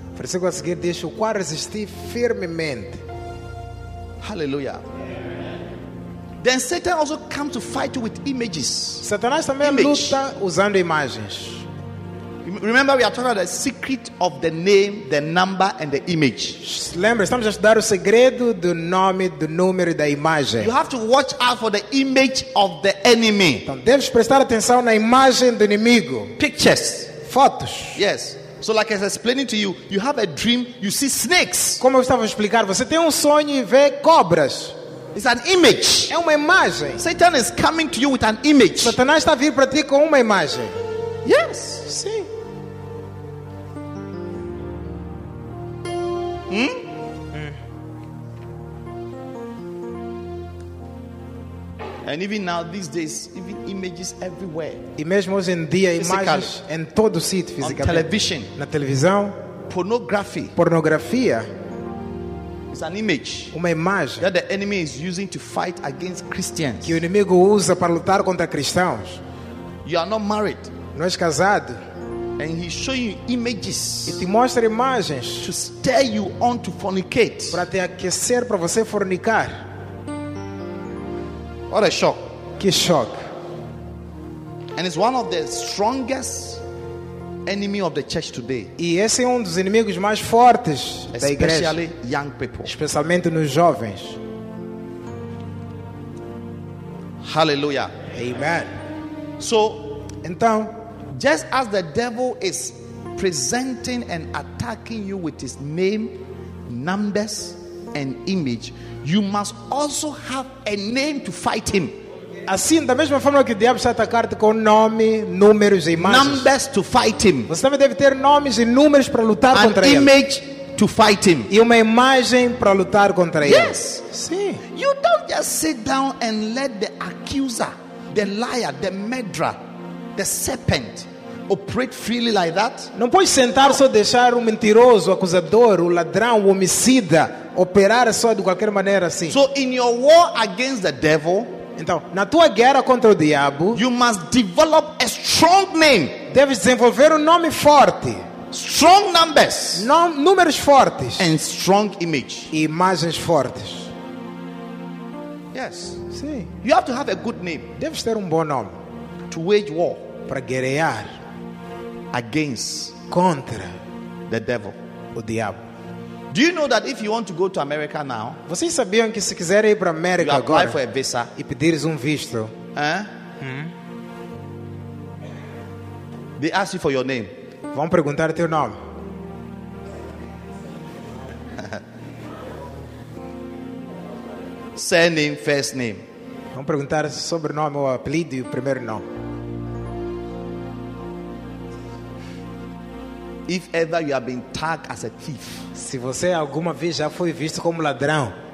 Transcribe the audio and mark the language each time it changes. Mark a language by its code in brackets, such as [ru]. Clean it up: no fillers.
[pt] Versículo a seguir diz: o qual resisti firmemente. [en] Hallelujah. Then Satan also comes to fight you with images. [pt] Satanás também luta usando imagens. [en] Remember, we are talking about the secret of the name, the number, and the image. [pt] Lembra, estamos a estudar o segredo do nome, do número e da imagem. [en] You have to watch out for the image of the enemy. [pt] Então, deves prestar atenção na imagem do inimigo. [en] Pictures. [pt] Fotos. [en] Yes. So, like I was explaining to you, you have a dream, you see snakes. [pt] Como eu estava a explicar, você tem sonho e vê cobras. [en] It's an image. [pt] É uma imagem. [en] Satan is coming to you with an image. [pt] Satanás está a vir para ti com uma imagem. [en] Yes. [pt] Sim. [en] And even now, these days, even images everywhere. [pt] E mesmo hoje em dia, imagens em todo o sítio, fisicamente. [en] On television. [pt] Na televisão. [en] Pornography. [pt] Pornografia. [en] It's an image, [pt] uma imagem, [en] that the enemy is using to fight against Christians. [pt] Que o inimigo usa para lutar contra cristãos. [en] You are not married. [pt] Não és casado. [en] And he shows you images. [pt] E te mostra imagens. [en] To stir you on to fornicate. [pt] Para te aquecer para você fornicar. [en] What a shock! [pt] Que shock! [en] And it's one of the strongest enemy of the church today. [pt] E esse é dos inimigos mais fortes da igreja. [en] Especially young people. [pt] Especialmente nos jovens. [en] Hallelujah. Amen. So, [pt] então, [en] just as the devil is presenting and attacking you with his name, numbers, and image, you must also have a name to fight him. [pt] Assim, da mesma forma que o diabo está atacando com nome, números e imagens. [en] Numbers to fight him. [pt] Você também deve ter nomes e números para lutar [en] An [pt] contra [en] image [pt] ele. [en] Image to fight him. [pt] E uma imagem para lutar contra [en] yes. [pt] ele. [en] Yes. [pt] Sim. [en] You don't just sit down and let the accuser, the liar, the murderer, the serpent operate freely like that. [pt] Não pode sentar só deixar o mentiroso, o acusador, o ladrão, o homicida operar só de qualquer maneira assim. [en] So in your war against the devil, [pt] então, na tua guerra contra o diabo, [en] you must develop a strong name. [pt] Deves desenvolver nome forte. [en] Strong numbers. [pt] Números fortes. [en] And strong image. [pt] E imagens fortes. [en] Yes. [pt] Sim. [en] You have to have a good name. [pt] Deves ter bom nome. [en] To wage war. [pt] Para guerrear. [en] Against. [pt] Contra. [en] The devil. [pt] O diabo. [en] Do you know that if you want to go to America now, [pt] vocês sabiam que se quiser ir para América [en] you [pt] agora, [en] for a visa, [pt] e pedires visto, [en] They ask you for your name. [pt] Vão perguntar teu nome. [en] Surname, first name. [pt] Vão perguntar sobrenome ou apelido e primeiro nome. [en] If ever you have been tagged as a thief, [pt] se você alguma vez já foi visto como ladrão,